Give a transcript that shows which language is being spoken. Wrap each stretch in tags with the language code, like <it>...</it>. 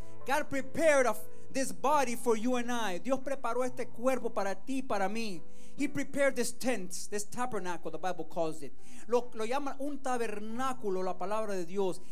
<en>God prepared a this body for you and I.</en> <es>Dios preparó este cuerpo para ti, para mí.</es> <en>He prepared this tent, this tabernacle, the Bible calls it.</en> <es>Lo llaman un tabernáculo, la palabra de Dios.</es>